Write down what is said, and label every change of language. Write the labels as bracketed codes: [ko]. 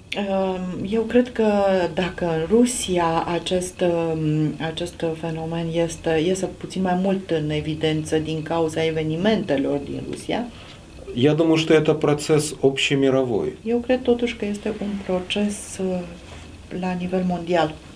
[ro] Eu cred că dacă în Rusia acest fenomen este puțin mai mult în evidență din cauza evenimentelor din Rusia. [ru] Я думаю, что это процесс общемировой. [ro] Eu cred totuși că este un proces la nivel mondial.